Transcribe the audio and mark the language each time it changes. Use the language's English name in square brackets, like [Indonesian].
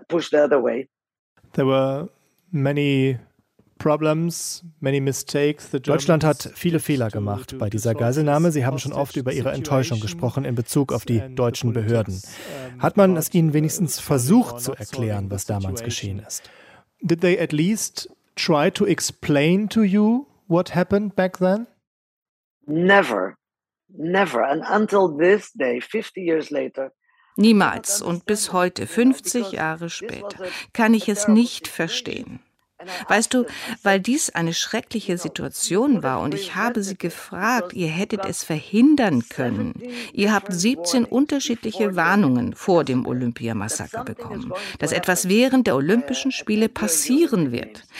[English] There were many problems, many mistakes. [German] Deutschland hat viele Fehler gemacht bei dieser Geiselnahme. Sie haben schon oft über Ihre Enttäuschung gesprochen in Bezug auf die deutschen Behörden. Hat man es Ihnen wenigstens versucht zu erklären, was damals geschehen ist? [English] Did they at least try to explain to you what happened back then? Never. Never. And until this day, 50 years later, [German] niemals und bis heute, 50 Jahre später, kann ich es nicht verstehen. Weißt du, weil dies eine schreckliche Situation war und ich habe sie gefragt, ihr hättet es verhindern können. Ihr habt 17 unterschiedliche Warnungen vor dem Olympiamassaker bekommen, dass etwas während der Olympischen Spiele passieren wird.